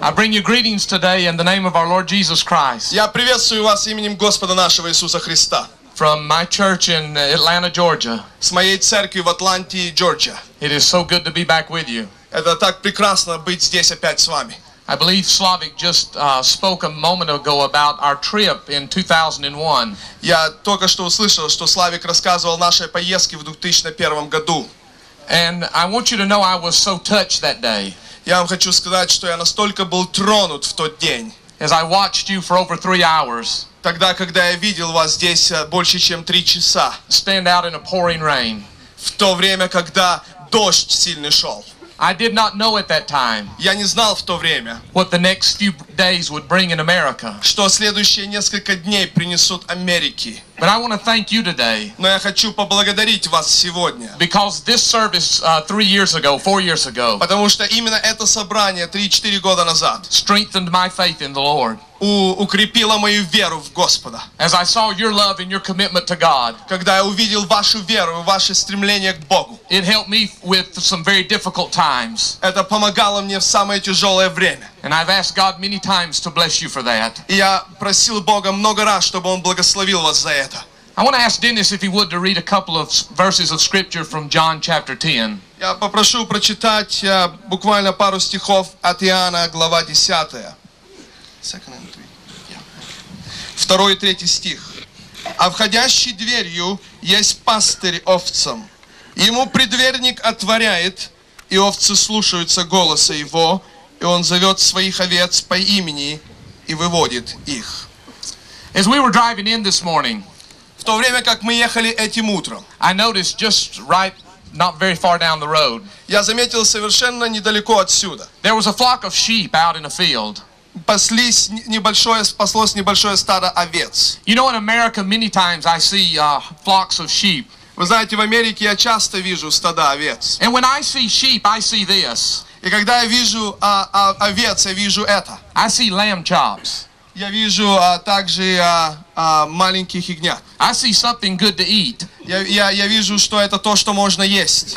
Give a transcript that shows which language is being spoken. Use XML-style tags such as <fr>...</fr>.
<en>I bring you greetings today in the name of our Lord Jesus Christ.</en> <ru>Я приветствую</ru> <uk>вас іменем Господа нашого Ісуса Христа.</uk> <en>From my church in Atlanta, Georgia.</en> <uk>З моєї церкви в Атланті, Джорджія.</uk> <en>It is so good to be back with you.</en> <uk>Це так прекрасно бути</uk> <ru>здесь опять</ru> <uk>з вами.</uk> <en>I believe Slavik just spoke a moment ago about our trip in 2001.</en> <ru>Я только что услышал,</ru> <uk>що Славик розказував нашої поїздки в 2001 году.</uk> <en>And I want you to know I was so touched that day.</en> <uk>Я вам хочу сказати, що я настільки був тронут в той день.</uk> <en>As I watched you for over 3 hours.</en> <ru>Тогда, когда я видел вас здесь больше, чем 3 часа.</ru> <en>Stand out in a pouring rain.</en> <ru>В то время, когда дождь сильно шел.</ru> <en>I did not know at that time.</en> <ru>Я не знал в то время.</ru> <en>What the next few days would bring in America.</en> <ru>Что следующие несколько дней принесут Америке.</ru> <en>But I want to thank you today.</en> <ru>Но я хочу поблагодарить вас сегодня.</ru> <en>Because this service 3 years ago, 4 years ago.</en> <ru>Потому что именно это собрание 3-4 года назад.</ru> <en>Strengthened my faith in the Lord.</en> <ru>Укрепила мою веру в Господа.</ru> <en>As I saw your love and your commitment to God.</en> <ru>Когда я увидел вашу веру и ваше стремление к Богу.</ru> <en>It helped me with some very difficult times.</en> <ru>Это помогало мне в самое тяжелое время.</ru> <en>And I've asked God many times to bless you for that.</en> <ru>Я просил Бога много раз, чтобы Он благословил вас за это.</ru> <en>I want to ask Dennis if he would to read a couple of verses of scripture from John chapter 10.</en> <ru>Я попрошу прочитать буквально пару стихов от Иоанна, глава 10. Второй и третий стих. «А входящий дверью есть пастырь овцам. Ему предверник отворяет, и овцы слушаются голоса его, и он зовет своих овец по имени и выводит их».</ru> <en>As we were driving in this morning,</en> <ru>в то время, как мы ехали этим утром,</ru> <en>I noticed just right not very far down the road,</en> <ru>я заметил совершенно недалеко отсюда,</ru> <en>there was a flock of sheep out in a field.</en> <ru>Паслось небольшое стадо овец.</ru> <en>You know, in America, many times I see flocks of sheep.</en> <ru>Вы знаете, в Америке я часто вижу стада овец.</ru> <en>And when I see sheep, I see this.</en> <ru>И когда я вижу овец, я вижу это.</ru> <en>I see lamb chops.</en> <ru>Я вижу также маленьких ягнят.</ru> <en>I see something good to eat.</en> <ru>Я вижу, что это то, что можно есть.</ru>